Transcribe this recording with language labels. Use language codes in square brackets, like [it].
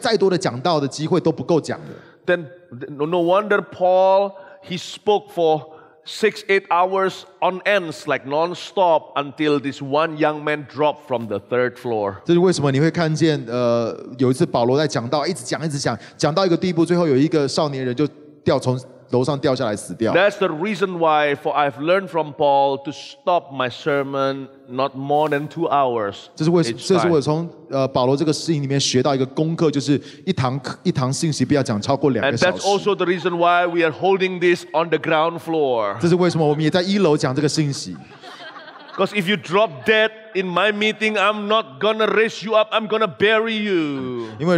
[zh] 你会发现在我的里面有很多很多那些活着的信息，是其实我再有再多的讲道的机会都不够讲的。 [en] Then no wonder Paul, he spoke for 6-8 hours on ends, like non-stop, until this one young man dropped from the third floor. [zh] 这是为什么你会看见，有一次保罗在讲到，一直讲，讲到一个地步，最后有一个少年人就掉从楼上掉下来死掉。 [en] That's the reason why, for I've learned from Paul to stop my sermon not more than 2 hours. [zh] 这是为什么？这是我从保罗这个信里面学到一个功课，就是一堂信息不要讲超过两个小时。 [en] And that's also the reason why we are holding this on the ground floor. [zh] 这是为什么我们也在一楼讲这个信息。 [en] Because if you drop dead in my meeting, I'm not gonna raise you up, I'm gonna bury you.